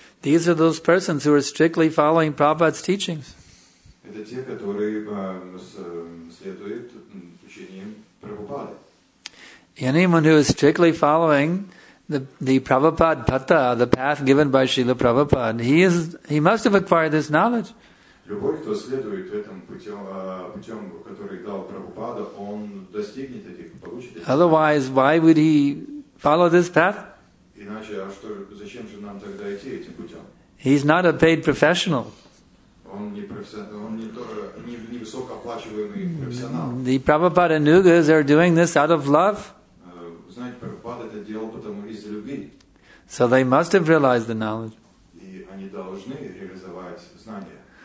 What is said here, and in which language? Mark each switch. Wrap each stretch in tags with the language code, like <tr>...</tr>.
<en>These are those persons who are strictly following Prabhupada's teachings. Anyone who is strictly following the Prabhupada Pata, the path given by Srila Prabhupada, he must have acquired this knowledge.</en> <ru>Любой, кто следует этим путем, который дал Прабхупада, он достигнет этих, получит этих.</ru> <en>Otherwise, why would he follow this path?</en> <ru>Иначе, а что, зачем же нам тогда идти этим путем?</ru> <en>He's not a paid professional.</en> <ru>Он не не высокооплачиваемый профессионал.</ru> <en>The Prabhupada Anugas are doing this out of love.</en> <ru>Знаете, Прабхупада это делал потому из любви.</ru> <en>So they must have realized the knowledge.</en> <ru>И они должны реализовать знания.</ru>